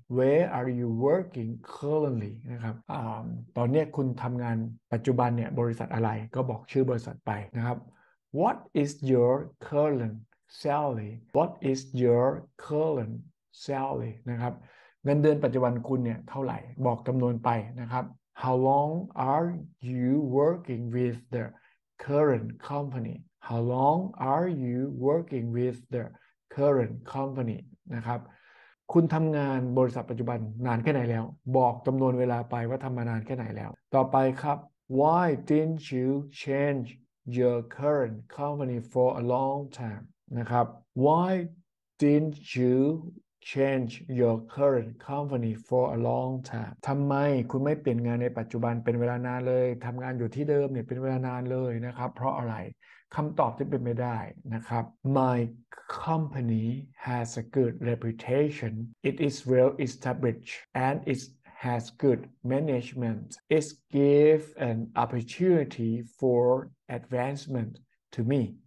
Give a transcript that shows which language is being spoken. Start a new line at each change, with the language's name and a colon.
English: Where are you working currently?
Thai: นะครับตอนนี้คุณทำงานปัจจุบันเนี่ยบริษัทอะไรก็บอกชื่อบริษัทไปนะครับ
English: What is your current salary? What is your current salary?
Thai: นะครับเงินเดือนปัจจุบันคุณเนี่ยเท่าไหร่บอกจำนวนไปนะครับ
English: How long are you working with the current company? How long are you working with the current company?
Thai: นะครับคุณทำงานบริษัทปัจจุบันนานแค่ไหนแล้วบอกจำนวนเวลาไปว่าทำมานานแค่ไหนแล้วต่อไปครับ
English: Why didn't you change your current company for a long time?
Thai: นะครับ
English: Why didn't youchange your current company for a long time
Thai: ทำไมคุณไม่เปลี่ยนงานในปัจจุบันเป็นเวลานานเลยทำงานอยู่ที่เดิมเนี่ยเป็นเวลานานเลยนะครับเพราะอะไรคำตอบจะเป็นไม่ได้นะครับ
English: My company has a good reputation it is well established and it has good management it gives an opportunity for advancement to me